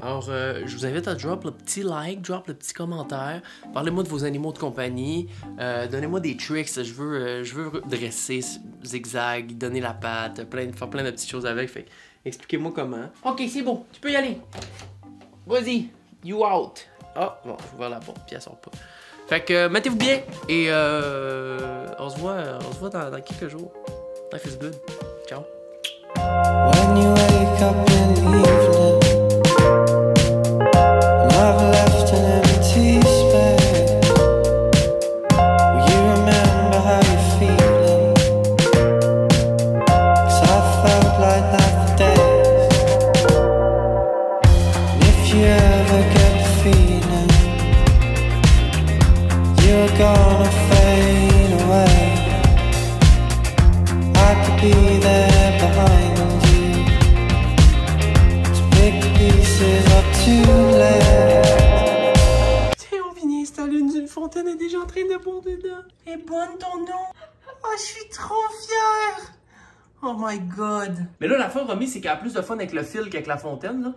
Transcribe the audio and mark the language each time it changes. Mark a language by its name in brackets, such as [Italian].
[French] Alors, je vous invite à drop le petit like, drop le petit commentaire, parlez-moi de vos animaux de compagnie, donnez-moi des tricks, je veux dresser Zigzag, donner la patte, faire plein de petites choses avec, fait expliquez-moi comment. Ok, c'est bon, tu peux y aller. Vas-y, [English] you out. [French] Oh, bon, je vais ouvrir la porte, puis elle sort pas. Fait que mettez-vous bien et on se voit dans quelques jours. [English] Life is good. Ciao. When you wake up in the evening, and I've left an empty space. Will you remember how you're feeling? 'Cause I felt like that for days. And if you ever get the feeling, you're gonna fade away. I could be there behind you to pick pieces up too late. [French] T'es en finis, ta lune d'une fontaine est déjà en train de boire dedans. Et boire ton nom. Oh, je suis trop fière. [English] Oh my god. [French] Mais là, la fin, Romy, c'est qu'elle a plus de fun avec le fil qu'avec la fontaine, là.